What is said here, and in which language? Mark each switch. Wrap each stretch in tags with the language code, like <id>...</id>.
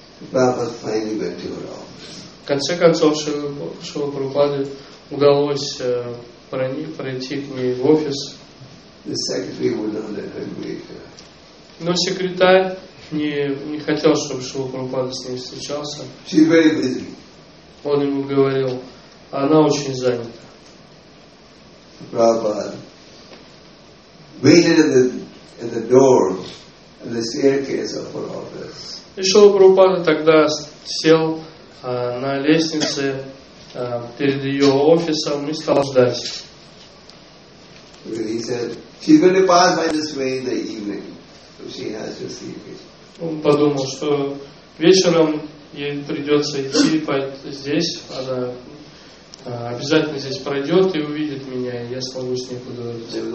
<ru>В конце концов, Шрила Прабхупаде удалось пройти к ней в офис. Но секретарь не хотел, чтобы Шрила Прабхупада с ней встречался.</ru> <en>She's very busy.</en> <ru>Он ему говорил, она очень занята.</ru> <en>Prabhupada waited at the door at the staircase of her office.</en> <ru>И Шрила Прабхупада тогда сел на лестнице перед ее офисом и стал ждать.</ru> <en>And he said, she's going to pass by this way in the evening, so she has to see me.</en> <ru>Он подумал, что вечером ей придется идти здесь, она обязательно здесь пройдет и увидит меня, и я смогу с ней поговорить.</ru>